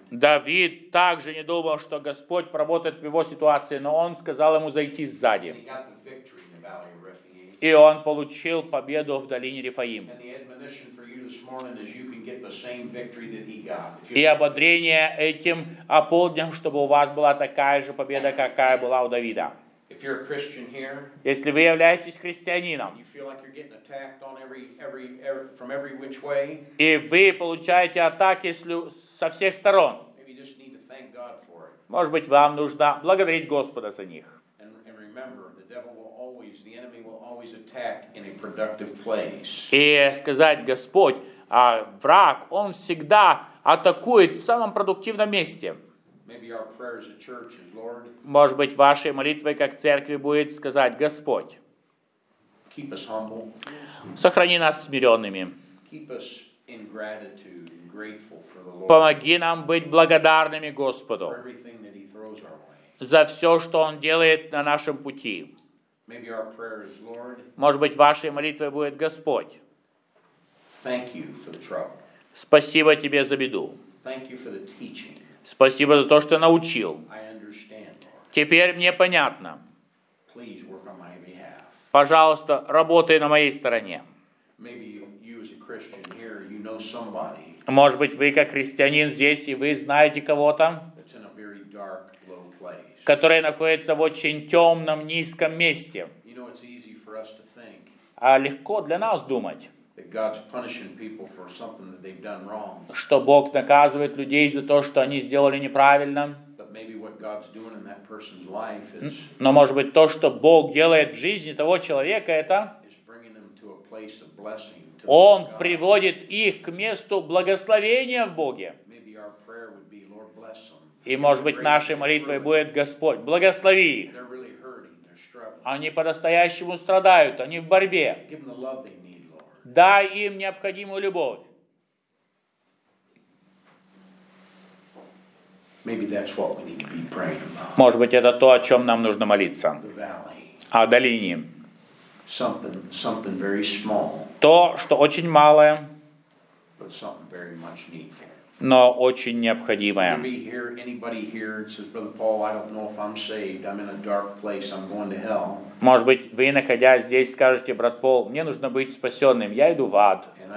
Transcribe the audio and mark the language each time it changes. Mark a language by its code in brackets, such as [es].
[ru] Давид также не думал, что Господь поработает в его ситуации, но он сказал ему зайти сзади. [en] And he got the victory in the valley of Rephaim. [ru] И он получил победу в долине Рефаим. [en] And the admonition for you this morning is you can get the same victory that he got. [ru] И ободрение этим полднем, чтобы у вас была такая же победа, какая была у Давида. [en] If you're a Christian here, [ru] если вы являетесь христианином, [en] you feel like you're getting attacked on every from every which way, [ru] и вы получаете атаки со всех сторон, [en] maybe you just need to thank God for it. [ru] Может быть, вам нужно благодарить Господа за них. [en] And remember, the devil will always, the enemy will always attack in a productive place. [ru] И сказать, Господь, враг, он всегда атакует в самом продуктивном месте. [en] Maybe our prayer as a church is, Lord, [ru] может быть, вашей молитвой как церкви будет сказать: Господь, [en] keep us humble. [ru] Сохрани нас смиренными. [en] Keep us in gratitude and grateful for the Lord. [ru] Помоги нам быть благодарными Господу [en] for everything that he throws our way. [ru] За все, что Он делает на нашем пути. [en] Maybe our prayer is, Lord, [ru] может быть, вашей молитвой будет: Господь, [en] thank you for the trouble. [ru] Спасибо тебе за беду. [en] Thank you for the teaching. [ru] Спасибо за то, что научил. [en] I understand, Lord. [ru] Теперь мне понятно. [en] Please work on my behalf. [ru] Пожалуйста, работай на моей стороне. [en] Maybe you as a Christian here, you know somebody. [ru] Может быть, вы как христианин здесь, и вы знаете кого-то, [en] that's in a very dark, low place, [ru] который находится в очень темном, низком месте. [en] You know, it's easy for us to think, [ru] а легко для нас думать, [en] God's punishing people for something that they've done wrong. [ru] Что Бог наказывает людей за то, что они сделали неправильно. [en] But maybe what God's doing in that person's life is, [ru] но может быть, то, что Бог делает в жизни того человека, это [en] is bringing them to a place of blessing to [ru] Он приводит их к месту благословения в Боге. [en] Maybe our prayer would be, Lord, bless them. [ru] И может быть, нашей молитвой будет: Господь, благослови их. [en] They're really hurting, they're struggling. [ru] Они по-настоящему страдают, они в борьбе. [en] Give them the love they need. [ru] Дай им необходимую любовь. [en] Maybe that's what we need to be praying about. [ru] Может быть, это то, о чем нам нужно молиться. О долине. [en] Something very small. [ru] То, что очень малое, [en] but something very much needful. [ru] Но очень необходимое. [en] Maybe here, anybody here says, Brother Paul, I don't know if I'm saved. I'm in a dark place. I'm going to hell. [ru] Может быть, вы, находясь здесь, скажете: брат Пол, мне нужно быть спасенным, я иду в ад.